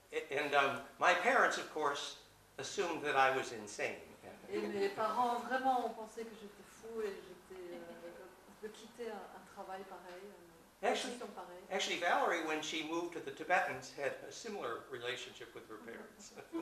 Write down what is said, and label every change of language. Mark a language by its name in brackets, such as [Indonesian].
[English] And my parents, of course, assumed that I was insane. [French] Et mes parents vraiment ont pensé que j'étais fou et j'étais de quitter un travail pareil, une profession pareille. [English] Actually, Valerie, when she moved to the Tibetans, had a similar relationship with her parents.